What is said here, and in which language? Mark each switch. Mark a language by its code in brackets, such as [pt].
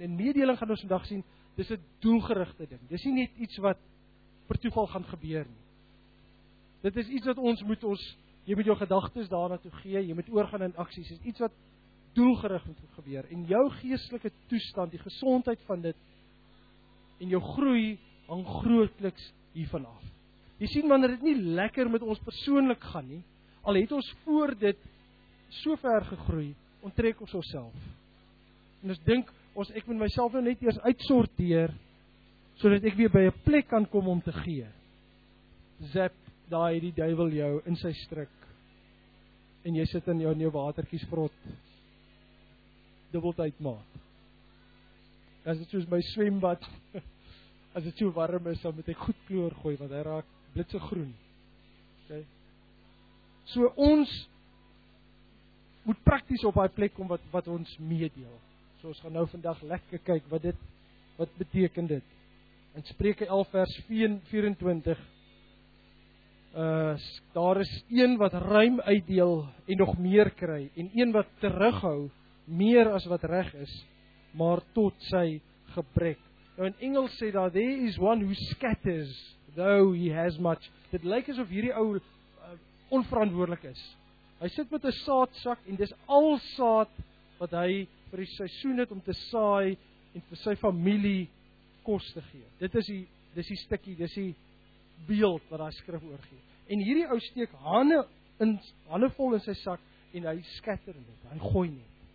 [af] En Mededeling gaan ons vandag sien, dis 'n doelgerigte ding. Dis nie net iets wat per toeval gaan gebeur nie. Dit is iets wat jy moet jou gedagtes daarna toe gee, jy moet oorgaan in aksies. Dis iets wat doelgerig moet gebeur. En jou geestelike toestand, die gesondheid van dit en jou groei hang grootliks hiervan af. Jy sien, wanneer dit nie lekker met ons persoonlik gaan nie, al het ons voor dit so ver gegroei, onttrek ons onsself. En ons dink, ek moet myself nou net eers uitsorteer, sodat ek weer by 'n plek kan kom om te gee. Zap, daar het die duivel jou in sy struik. En jy sit in jou nuwe watertjies vrot. Dubbeltyd maat. As dit soos my swembad, as dit so warm is, dan moet ek goed kleur gooi, want hy raak blitse groen. Okay. So ons moet prakties op daai plek kom wat ons meedeel. So ons gaan nou vandag lekker kyk wat beteken dit. In Spreuke 11 vers 24 daar is een wat ruim uitdeel en nog meer kry en een wat terughou meer as wat reg is, maar tot sy gebrek. Nou in Engels sê daar, [en] there is one who scatters though he has much. [af] Dit lyk asof hierdie ou onverantwoordelik is. Hy sit met 'n saadsak en dis al saad wat hy vir die seisoen het om te saai en vir sy familie kos te gee. Dis die beeld wat daai skrif oorgee. En hierdie ou steek hande vol in sy sak en hy scatter dit. Hy gooi net.